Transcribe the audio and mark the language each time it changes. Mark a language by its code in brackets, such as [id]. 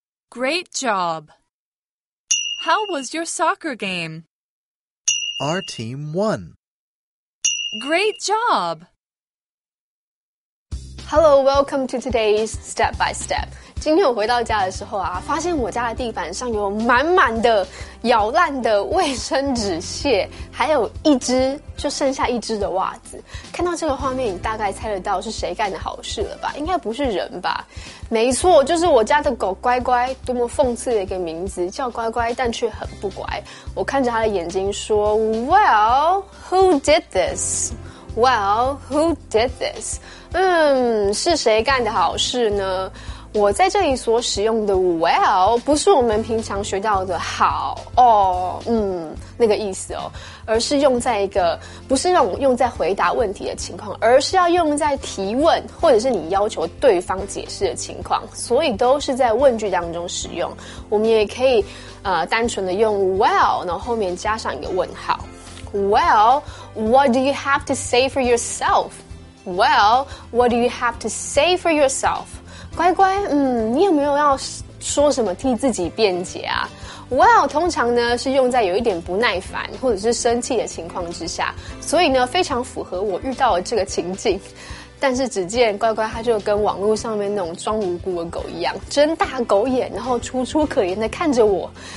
[en] Great job. How was your soccer game? Our team won. Great job. Hello, welcome to today's Step by Step. [zh] 今天我回到家的时候啊，发现我家的地板上有满满的咬烂的卫生纸屑，还有一只就剩下一只的袜子。看到这个画面，你大概猜得到是谁干的好事了吧？应该不是人吧？没错，就是我家的狗乖乖。多么讽刺的一个名字，叫乖乖，但却很不乖。我看着它的眼睛说 ： [en] “Well, who did this?” Well, who did this? [zh] 是谁干的好事呢？我在这里所使用的 well 不是我们平常学到的好哦，那个意思哦，而是用在一个不是用在回答问题的情况，而是要用在提问或者是你要求对方解释的情况，所以都是在问句当中使用。我们也可以单纯的用 well， 然后后面加上一个问号。 [en] Well, what do you have to say for yourself? Well, what do you have to say for yourself? [zh] 乖乖，你有没有要说什么替自己辩解啊？ Well, 通常呢是用在有一点不耐烦或者是生气的情况之下，所以呢非常符合我遇到的这个情境。但是只见乖乖他就跟网络上面那种装无辜的狗一样，睁大狗眼，然后楚楚可怜的看着我。